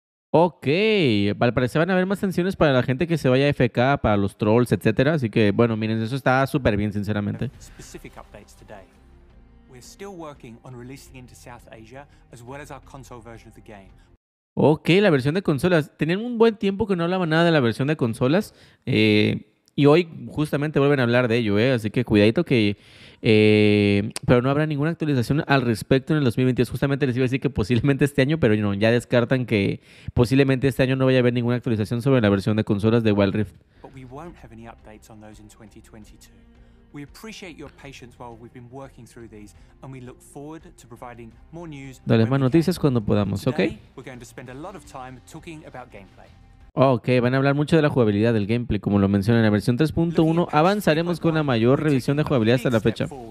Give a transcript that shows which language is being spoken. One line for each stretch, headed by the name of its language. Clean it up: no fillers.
Spanish: Okay, al parecer van a haber más sanciones para la gente que se vaya a FK, para los trolls, etcétera, así que bueno, miren, eso está súper bien, sinceramente.
English: Specific updates today. We're still working on releasing into South Asia as well as our console version of the game.
Spanish: Ok, la versión de consolas. Tenían un buen tiempo que no hablaban nada de la versión de consolas. Y hoy justamente vuelven a hablar de ello, así que cuidadito que... pero no habrá ninguna actualización al respecto en el 2022. Justamente les iba a decir que posiblemente este año, pero no, ya descartan que posiblemente este año no vaya a haber ninguna actualización sobre la versión de consolas de Wild Rift.
English: But we won't have any updates on those in 2022. We appreciate your patience while we've been working through these and we look forward to providing more news.
Spanish: Dale más noticias cuando podamos, ¿ok?
English: Today, we're going to spend a lot of time talking about gameplay.
Spanish: Ok, van a hablar mucho de la jugabilidad del gameplay. Como lo mencioné en la versión 3.1, avanzaremos con la mayor revisión de jugabilidad hasta la fecha.